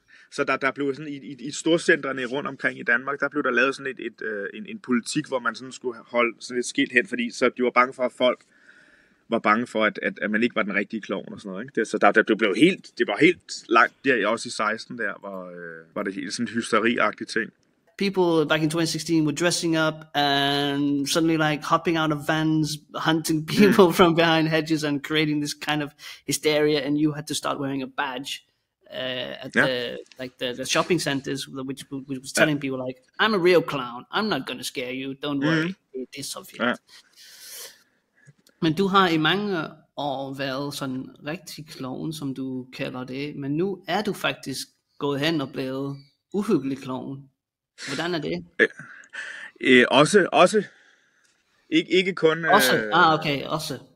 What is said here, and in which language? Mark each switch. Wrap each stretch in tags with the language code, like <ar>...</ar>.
<da>Så der blev sådan i storcentrene rundt omkring i Danmark, der blev der lavet sådan en politik, hvor man sådan skulle holde sådan et skilt hen, fordi så de var bange for, at folk var bange for, at man ikke var den rigtige klovn og sådan noget. Ikke? Det, så der blev helt, det var helt langt der, også i 16 der, var det sådan en hysteri-agtig ting.</da> <en>People back in 2016 were dressing up and suddenly like hopping out of vans, hunting people from behind hedges and creating this kind of hysteria, and you had to start wearing a badge. The shopping centers, which was telling people like, I'm a real clown, I'm not gonna scare you, don't worry, this of you.</en> <da>Men du har i mange år været sådan rigtig clown, som du kalder det, men nu er du faktisk gået hen og blevet uhyggelig clown. Hvordan er det? Også. Ikke kun... Også? Også.</da>